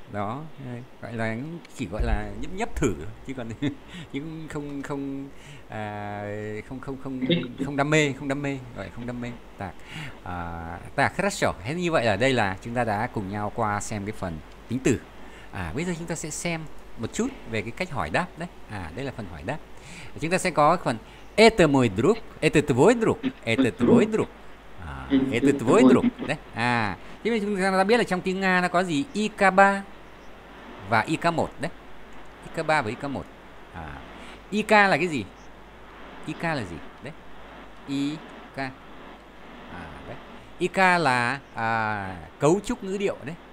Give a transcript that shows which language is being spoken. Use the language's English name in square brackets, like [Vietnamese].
[Vietnamese] Đó, gọi là chỉ gọi là nhấp nhấp thử chứ còn nhưng không không à, không không không không đam mê, không đam mê, gọi không đam mê. Tạc. À tạc хорошо. Thế như vậy là đây là chúng ta đã cùng nhau qua xem cái phần tính từ. À bây giờ chúng ta sẽ xem một chút về cái cách hỏi đáp đấy. À đây là phần hỏi đáp. Chúng ta sẽ có phần [Russian] это мой друг, это твой друг, [Vietnamese] это твой друг. [Russian] Это твой друг. Đấy. [Vietnamese] À, thế chúng ta biết là trong tiếng Nga nó có gì? IK3 và IK1 đấy. IK3 và IK1. À. IK là cái gì? IK là gì? Đấy. IK. À đấy. IK là cấu trúc ngữ điệu đấy.